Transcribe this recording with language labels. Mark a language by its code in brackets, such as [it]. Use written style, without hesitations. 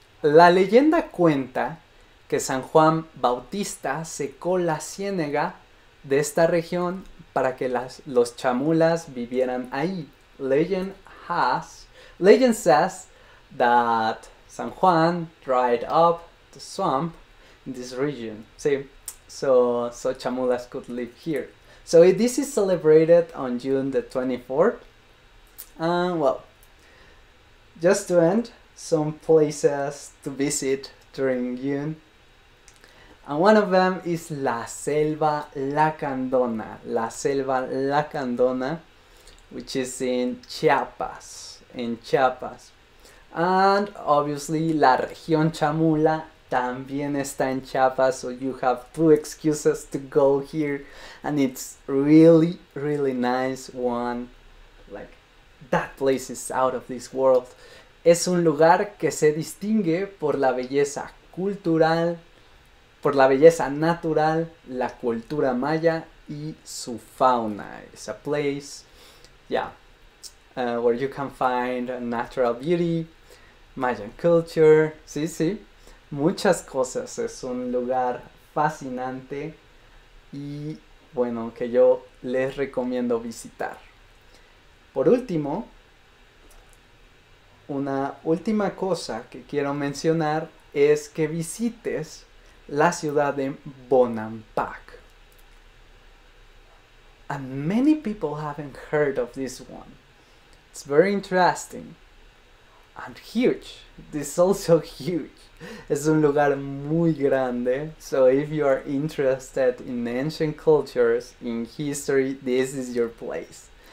[es] La leyenda cuenta que San Juan Bautista secó la ciénega de esta región para que los chamulas vivieran ahí. [en] Legend says that San Juan dried up the swamp in this region. Sí, so chamulas could live here. So this is celebrated on June the 24th. Well, just to end, some places to visit during June. And one of them is La Selva Lacandona. La Selva Lacandona, which is in Chiapas. In Chiapas. And obviously, [es] La Región Chamula también está en Chiapas. [en] So you have two excuses to go here. And it's really, really nice one. Like, that place is out of this world. [es] Es un lugar que se distingue por la belleza cultural, por la belleza natural, la cultura maya y su fauna. [en] It's a place, where you can find natural beauty, Mayan culture, [es] sí, muchas cosas. Es un lugar fascinante y bueno, que yo les recomiendo visitar. Por último, una última cosa que quiero mencionar es que visites la ciudad de Bonampak. [en] And many people haven't heard of this one. It's very interesting and huge. This is also huge. [es] Es un lugar muy grande. [en] So if you are interested in ancient cultures, in history, this is your place.